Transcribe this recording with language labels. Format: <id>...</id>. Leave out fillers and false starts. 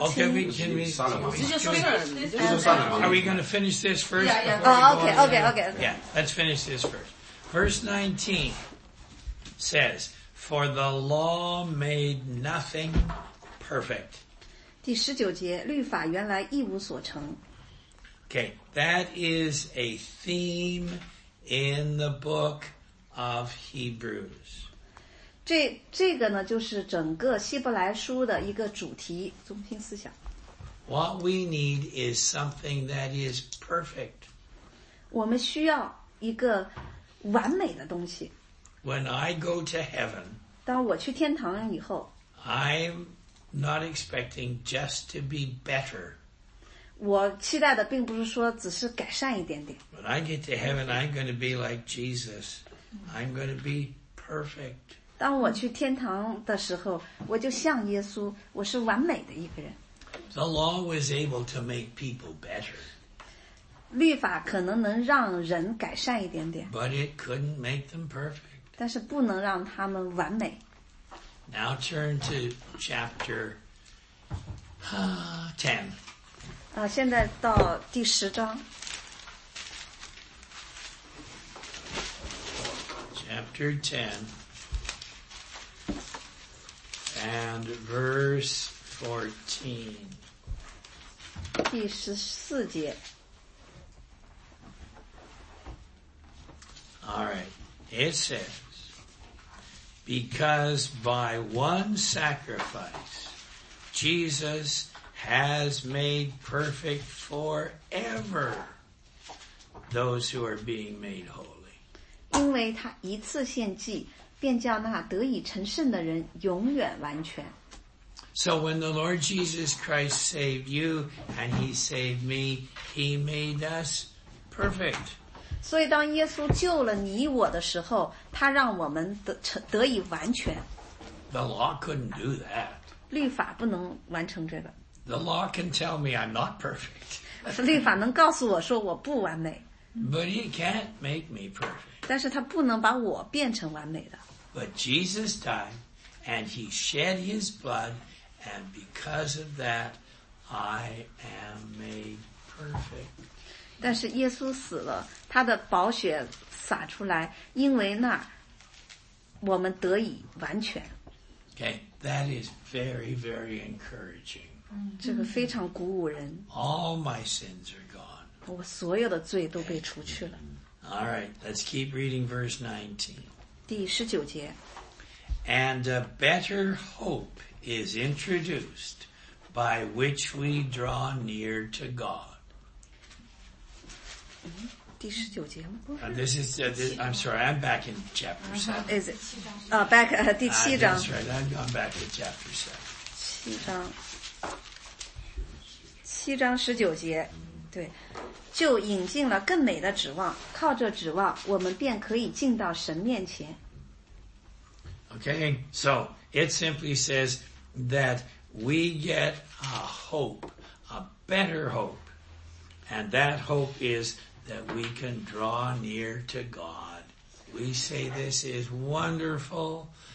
<en>Okay, can we are we going to finish this first? Yeah, okay. Yeah, let's finish this first. Verse 19 says, For the law made nothing perfect.</en> <zh>第十九节，律法原来一无所成。</zh> <en>Okay, that is a theme in the book of Hebrews. This</en> <zh>就是整个希伯来书的一个主题中心思想。</zh> <en>What we need is something that is perfect.</en> <zh>我们需要一个完美的东西。</zh> <en>When I go to heaven,</en> <zh>当我去天堂以后,</zh> <en>I'm not expecting just to be better.</en> <zh>我期待的并不是说只是改善一点点。</zh> <en>When I get to heaven, I'm going to be like Jesus. I'm going to be perfect.</en> <zh>当我去天堂的时候，我就像耶稣，我是完美的一个人。</zh> <en>The law was able to make people better.</en> <zh>律法可能能让人改善一点点。</zh> <en>But it couldn't make them perfect.</en> <zh>但是不能让他们完美。</zh> <en>Now turn to chapter 10.</en> <zh>现在到第十章。</zh> <en>Chapter 10. And verse 14.</en> <zh>第十四节。</zh> <en>All right. It says, Because by one sacrifice, Jesus has made perfect forever those who are being made holy.</en> <zh>因为他一次献祭便叫那得以成圣的人永远完全。</zh> <en>So when the Lord Jesus Christ saved you and he saved me, he made us perfect.</en> <zh>所以当耶稣救了你我的时候，他让我们 得以完全。</zh> <en>The law couldn't do that.</en> <zh>律法不能完成这个。</zh> <en>The law can tell me I'm not perfect.</en> <zh>律法能告诉我说我不完美。</zh> <en>But he can't make me perfect.</en> <zh>但是他不能把我变成完美的。</zh> <en>But Jesus died, and he shed his blood, and because of that, I am made perfect.</en> <zh>但是耶稣死了，他的宝血洒出来，因为那我们得以完全。</zh> <en>Okay, that is very, very encouraging.</en> <zh>这个非常鼓舞人。</zh> <en>All my sins are gone.</en> <zh>我所有的罪都被除去了。</zh> <en>All right, let's keep reading verse 19.</en> <zh>第十九节。</zh> <en>And a better hope is introduced by which we draw near to God.</en> <zh>第十九节吗？不是。</zh> <en>This is, I'm sorry, I'm back in chapter 7. Is it? Back,</en> <zh>第七章。</zh> <en>That's right, I'm going back to chapter 7.</en> <zh>七章十九节，对，就引进了更美的指望，靠着指望，我们便可以进到神面前。</zh> <en>Okay, so it simply says that we get a hope, a better hope, and that hope is. That we can draw near to God. We say this is wonderful.</en>